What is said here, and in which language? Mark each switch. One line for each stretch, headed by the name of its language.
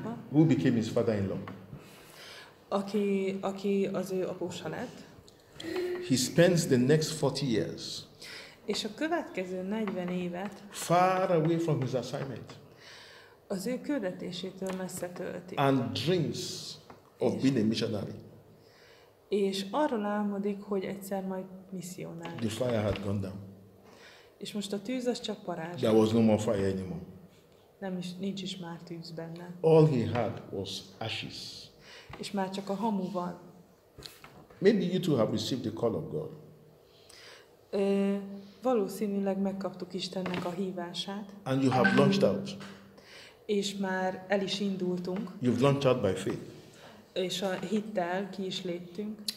English: Who became his father-in-law?
Hungarian: Aki az ő apósa lett.
English: He spends the next 40 years.
Hungarian: És a következő 40 évet.
English: Far away from his assignment.
Hungarian: Az ő küldetésétől messze tölti.
English: And dreams of being a missionary.
Hungarian: És arról álmodik, hogy egyszer majd missionári.
English: The fire had gone down.
Hungarian: És most a tűz az csak parázs.
English: There was no more fire anymore.
Hungarian: Nem is, nincs is már tűz benne.
English: All he had was ashes.
Hungarian: És már csak a hamu van.
English: Maybe you too have received the call of God.
Hungarian: Valószínűleg megkaptuk Istennek a hívását.
English: And you have launched out.
Hungarian: És már el is indultunk.
English: You've launched out by faith.
Hungarian: És a hittel ki is léptünk.